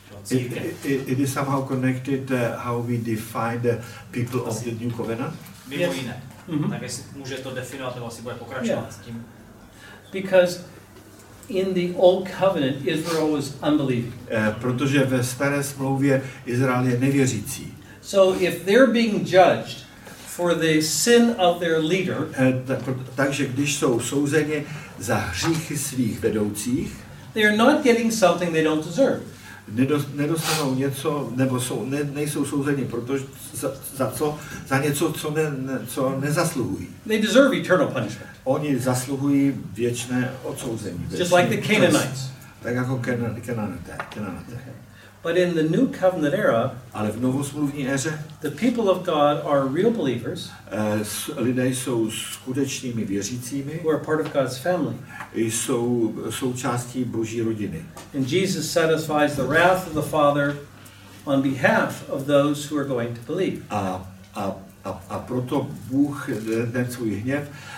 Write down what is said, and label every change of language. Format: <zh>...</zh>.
<en>It is somehow connected how we define the people of the new covenant.</en> <cs>Mimo jiné. Mm-hmm. Tak jestli může to definovat, nebo si bude pokračovat s tím.</cs> <en>Because in the old covenant Israel was unbelieving.</en> <cs>Protože ve staré smlouvě Izrael je nevěřící.</cs> <en>So if they're being judged for the sin of their leader,</en> <cs>takže když jsou souzeni za hříchy svých vedoucích,</cs> <en>they are not getting something they don't deserve.</en> <cs>Nedostanou něco, nebo nejsou souzeni protože za něco, co nezasluhují.</cs> <en>They deserve eternal punishment.</en> <cs>Oni zasluhují věčné odsouzení.</cs> <en>Just like the Canaanites.</en> <cs>Tak jako Kenanité. Okay.</cs> <en>But in the new covenant era,</en> <cs>ale v novosmluvní éře,</cs> <en>the people of God are real believers.</en> <cs>Lidé jsou skutečnými věřícími.</cs> <en>Who are part of God's family.</en> <cs>Jsou součástí Boží rodiny.</cs> <en>And Jesus satisfies the wrath of the Father on behalf of those who are going to believe.</en> <cs>A proto Bůh ten svůj hněv.</cs>